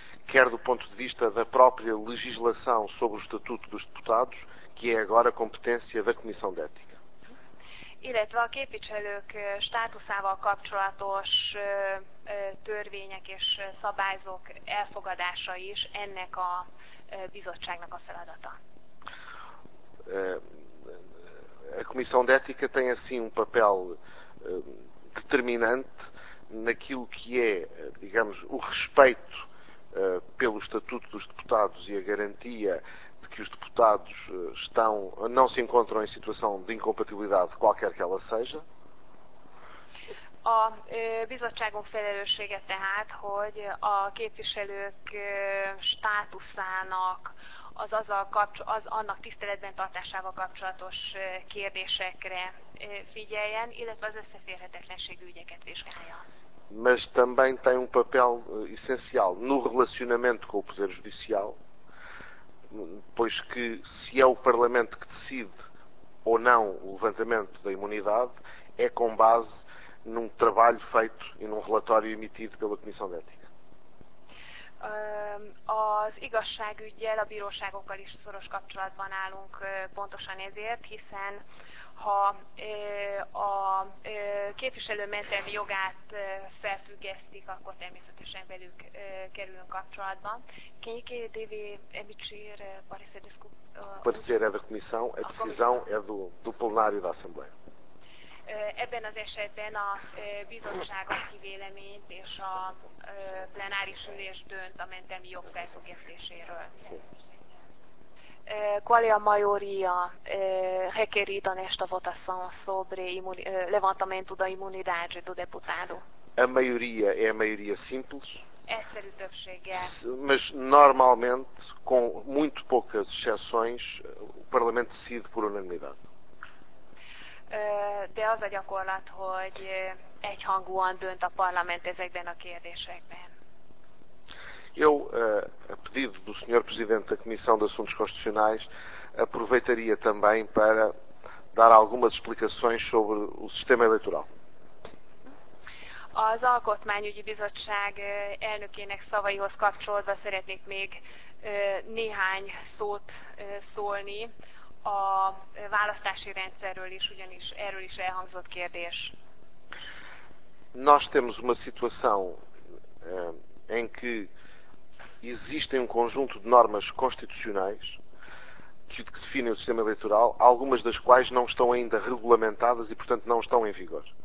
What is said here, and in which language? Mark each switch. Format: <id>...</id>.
<pt>Quer do ponto de vista da própria legislação sobre o Estatuto dos Deputados, que é agora competência da Comissão de Ética.</pt> <hu>Illetve a képviselők státuszával kapcsolatos törvények és szabályzók elfogadása is ennek a bizottságnak a feladata.</hu> <pt>A Comissão de Ética tem assim papel determinante naquilo que é, digamos, o respeito pelo Estatuto dos Deputados e a garantia de que os deputados estão, não se encontram em situação de incompatibilidade, qualquer que ela seja.</pt> <hu>A bizottságunk felelőssége tehát, hogy a képviselők státuszának, az annak tiszteletben tartásával kapcsolatos kérdésekre figyeljen, illetve az összeférhetetlenségi ügyeket vizsgálja.</hu> <pt>Mas também tem papel essencial no relacionamento com o Poder Judicial, pois que se é o Parlamento que decide ou não o levantamento da imunidade, é com base num trabalho feito e num relatório emitido pela Comissão de Ética.</pt> <hu>Az igazságügyel, a bíróságokkal is szoros kapcsolatban állunk pontosan ezért, hiszen ha a képviselő mentelmi jogát felfüggesztik, akkor természetesen velük kerülünk kapcsolatban. Can you give me emitir parecer desco?</hu> <pt>Parecer é da comissão, a decisão é do plenário da Assembleia.</pt> <hu>Ebben az esetben a bizottságok kivéleményt és a plenáris ülés dönt a mentelmi jog felfüggesztéséről.</hu> <pt>Qual é a maioria requerida nesta votação sobre levantamento da imunidade do deputado? A maioria é a maioria simples.</pt> <hu>Egyszerű többsége.</hu> <pt>Mas normalmente, com muito poucas exceções, o Parlamento decide por unanimidade.</pt> <hu>De az a gyakorlat, hogy egyhangúan dönt a parlament ezekben a kérdésekben.</hu> <pt>Eu, a pedido do Sr. Presidente da Comissão de Assuntos Constitucionais, aproveitaria também para dar algumas explicações sobre o sistema eleitoral.</pt> <hu>Az Alkotmányügyi Bizottság elnökének szavaihoz kapcsolódva szeretnék még néhány szót szólni. A választási rendszerről is, ugyanis erről is elhangzott kérdés.</hu> <pt>Nós temos uma situação em que existem um conjunto de normas constitucionais que definem o sistema eleitoral, algumas das quais não estão ainda regulamentadas e, portanto, não estão em vigor.</pt>